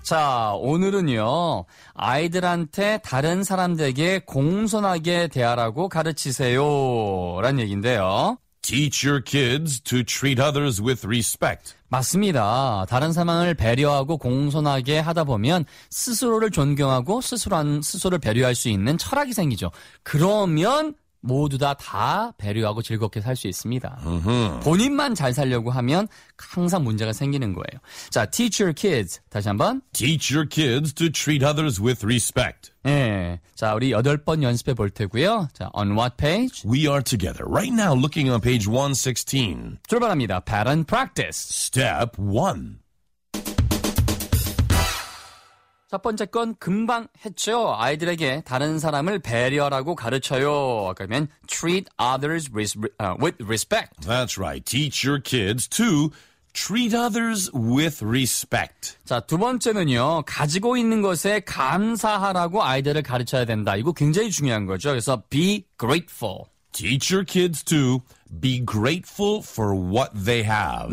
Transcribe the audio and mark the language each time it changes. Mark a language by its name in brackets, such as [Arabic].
[Korean] 자, 오늘은요, 아이들한테 다른 사람들에게 공손하게 대하라고 가르치세요. 라는 얘기인데요. [English] Teach your kids to treat others with respect. [Korean] 맞습니다. 다른 사람을 배려하고 공손하게 하다 보면 스스로를 존경하고 스스로를 배려할 수 있는 철학이 생기죠. 그러면 모두 다 배려하고 즐겁게 살 수 있습니다. Uh-huh. 본인만 잘 살려고 하면 항상 문제가 생기는 거예요. 자, [English] teach your kids. [Korean] 다시 한번. [English] Teach your kids to treat others with respect. [Korean] 네. 자, 우리 8번 연습해 볼 테고요. [English] 자, on what page? We are together. Right now looking on page 116. [Korean] 출발합니다. [English] Pattern practice. Step 1. [Korean] 첫 번째 건 금방 했죠. 아이들에게 다른 사람을 배려하라고 가르쳐요. 그러면 [English] treat others with respect. That's right. Teach your kids to treat others with respect. [Korean] 자, 두 번째는요. 가지고 있는 것에 감사하라고 아이들을 가르쳐야 된다. 이거 굉장히 중요한 거죠. 그래서 [English] be grateful. Teach your kids to be grateful for what they have.